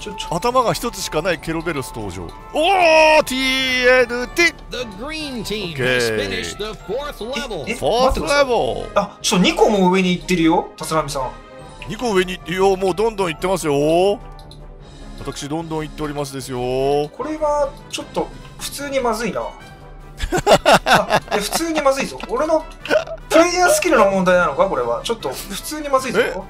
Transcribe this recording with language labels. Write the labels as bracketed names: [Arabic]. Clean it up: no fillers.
[Japanese] 頭が一つしかないケルベロス登場。おお、TNT。 [English] The Green Team has finished the fourth level. Fourth level。 [Japanese] あ、ちょっと2個も上に行ってるよ、タスラミさん。 2個上に、いや、もうどんどん行ってますよ。私どんどん行っておりますですよ。これはちょっと普通にまずいな。普通にまずいぞ。俺のプレイヤースキルの問題なのかこれは。ちょっと普通にまずいぞ。